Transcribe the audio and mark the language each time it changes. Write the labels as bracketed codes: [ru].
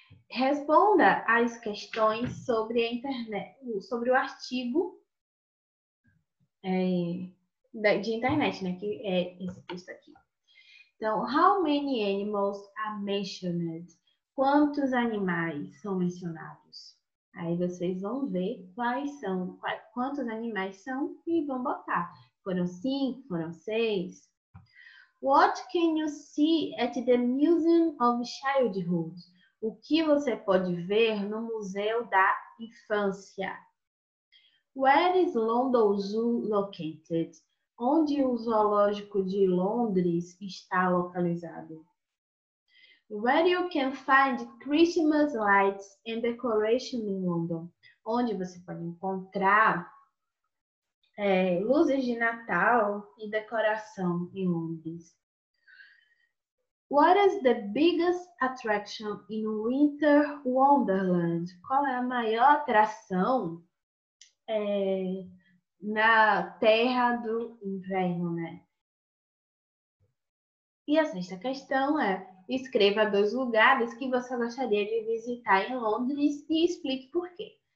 [pt] Responda as questões sobre a internet, sobre o artigo de internet, né? Que é esse texto aqui. Então, [en] how many animals are mentioned? [pt] Quantos animais são mencionados? Aí vocês vão ver quais são, quantos animais são e vão botar. Foram cinco, foram seis. [en] What can you see at the Museum of Childhood? [pt] O que você pode ver no Museu da Infância? [en] Where is London Zoo located? [pt] Onde o zoológico de Londres está localizado? [en] Where you can find Christmas lights and decoration in London? [pt] Onde você pode encontrar luzes de Natal e decoração em Londres? [en] What is the biggest attraction in Winter Wonderland? [pt] Qual é a maior atração na Terra do Inverno, né? E a sexta questão é: escreva dois lugares que você gostaria de visitar em Londres e explique por quê.